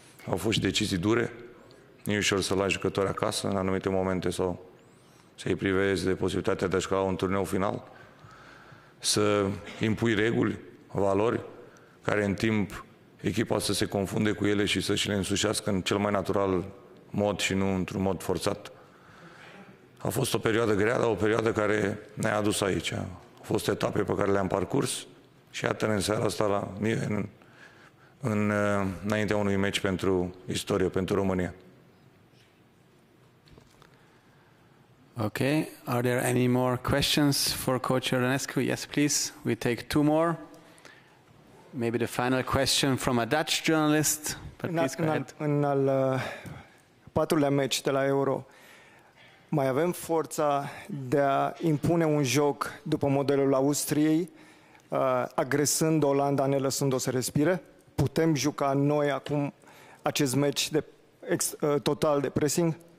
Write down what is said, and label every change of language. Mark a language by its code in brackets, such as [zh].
[ro] Au fost și decizii dure, nu e ușor să lași jucători acasă în anumite momente sau să-i privezi de posibilitatea de a juca un turneu final, să impui reguli, valori, care în timp echipa să se confunde cu ele și să-și le însușească în cel mai natural mod și nu într-un mod forțat. A fost o perioadă grea, dar o perioadă care ne-a adus aici. Au fost etape pe care le-am parcurs și iată în seara asta la mie înaintea unui meci pentru istorie, pentru România. [en] Okay, are there any more questions for Coach Ionescu? Yes, please. We take two more. Maybe the final question from a Dutch journalist. But please go ahead. [ro] În al patrulea meci de la Euro, mai avem forța de a impune un joc după modelul Austriei, agresând Olanda, ne lăsând-o să respire? Putem juca noi acum acest meci de total de pressing?